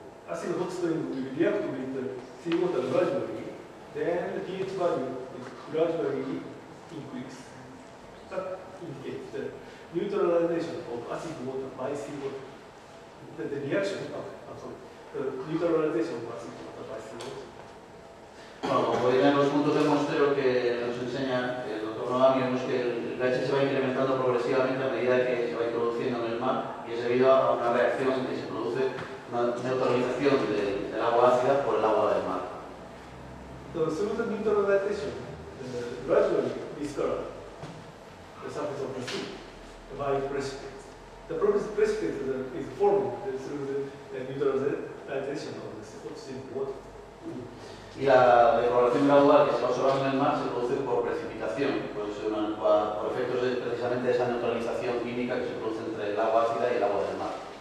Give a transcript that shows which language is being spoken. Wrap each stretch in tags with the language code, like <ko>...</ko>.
<en>as in the hotspring will react with the seawater gradually, then the pH value is gradually increased. That indicates the neutralization of acid water by seawater. The reaction of, the neutralization of acid water by seawater.</en> <es>Bueno, como podéis ver en los puntos de muestreo que nos enseña el doctor Noam, vemos que el pH se va incrementando progresivamente a medida que se va introduciendo en el mar y es debido a una reacción que se produce, una neutralización de, del agua ácida por el agua del mar. Entonces, según la neutralización,</es> <en>gradually discolored the surface of the sea by precipitates. The process precipitate is formed through the neutralization of the oxygen water.</en> <es>Y la degradación gradual que se va observando en el mar se produce por precipitación, puede ser una, por efectos de, precisamente de esa neutralización química que se produce entre el agua ácida y el agua del mar.</es>